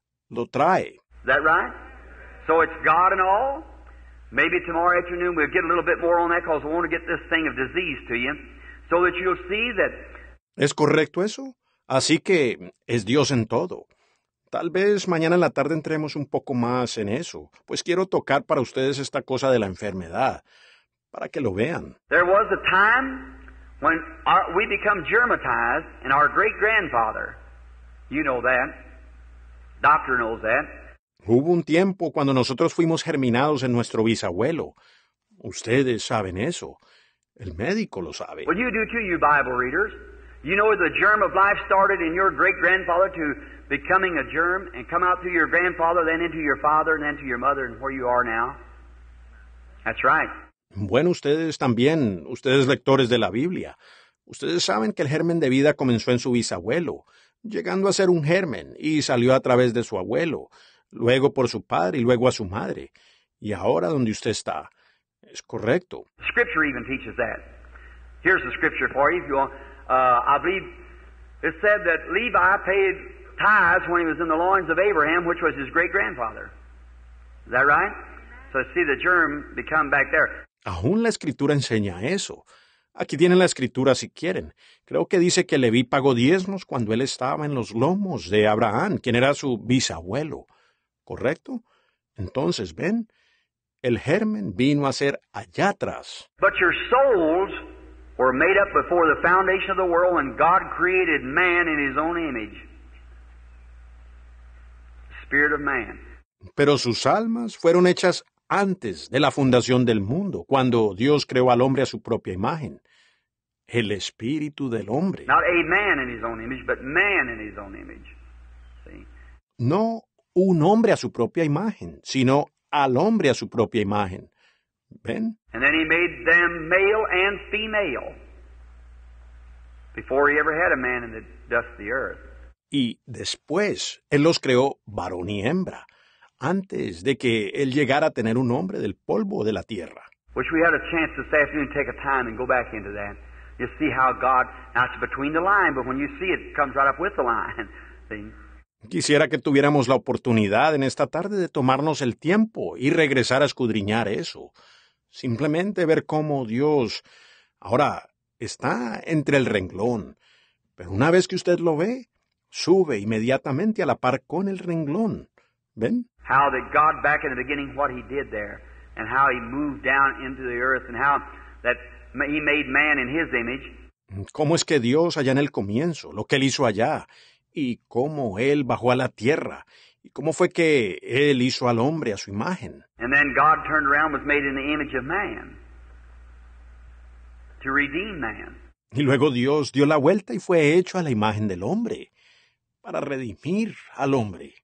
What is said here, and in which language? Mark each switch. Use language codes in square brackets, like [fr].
[es] Lo trae. [en] Is that right? So it's God and all? Maybe tomorrow afternoon we'll get a little bit more on that because I want to get this thing of disease to you so that you'll see that... [es] ¿Es correcto eso? Así que es Dios en todo. Tal vez mañana en la tarde entremos un poco más en eso, pues quiero tocar para ustedes esta cosa de la enfermedad, para que lo vean. [en] There was a time when we become germatized and our great-grandfather, you know that, doctor knows that. [es] Hubo un tiempo cuando nosotros fuimos germinados en nuestro bisabuelo. Ustedes saben eso. El médico lo sabe. [en] Well, you do too, you Bible readers. You know the germ of life started in your great-grandfather to becoming a germ and come out through your grandfather, then into your father, and then to your mother, and where you are now. That's right. [es] Bueno, ustedes también, ustedes lectores de la Biblia, ustedes saben que el germen de vida comenzó en su bisabuelo, llegando a ser un germen, y salió a través de su abuelo, luego por su padre y luego a su madre. Y ahora donde usted está, es correcto. [en] Scripture even teaches that. Here's the scripture for you. If you want, I believe it said that Levi paid tithes when he was in the loins of Abraham, which was his great-grandfather. Is that right? So see the germ become back there. [es] Aún la Escritura enseña eso. Aquí tienen la Escritura si quieren. Creo que dice que Leví pagó diezmos cuando él estaba en los lomos de Abraham, quien era su bisabuelo. ¿Correcto? Entonces, ven, el germen vino a ser allá atrás. [en] But your souls were made up before the foundation of the world when God created man in his own image. Spirit of man. [es] Pero sus almas fueron hechas antes de la fundación del mundo, cuando Dios creó al hombre a su propia imagen, el espíritu del hombre. [en] Not a man in his own image, but man in his own image. See? [es] No un hombre a su propia imagen, sino al hombre a su propia imagen. ¿Ven? [en] And then he made them male and female before he ever had a man in the dust of the earth. [es] Y después él los creó varón y hembra, antes de que él llegara a tener un hombre del polvo de la tierra. [en] Which we had a chance this afternoon to take a time and go back into that. You see how God, now it's between the line, but when you see it, it comes right up with the line. See? [es] Quisiera que tuviéramos la oportunidad en esta tarde de tomarnos el tiempo y regresar a escudriñar eso. Simplemente ver cómo Dios ahora está entre el renglón. Pero una vez que usted lo ve, sube inmediatamente a la par con el renglón. ¿Ven? [en] How that God back in the beginning what he did there and how he moved down into the earth and how that he made man in his image. [es] ¿Cómo es que Dios allá en el comienzo, lo que él hizo allá y cómo él bajó a la tierra y cómo fue que él hizo al hombre a su imagen? [en] And then God turned around was made in the image of man to redeem man. [es] Y luego Dios dio la vuelta y fue hecho a la imagen del hombre para redimir al hombre.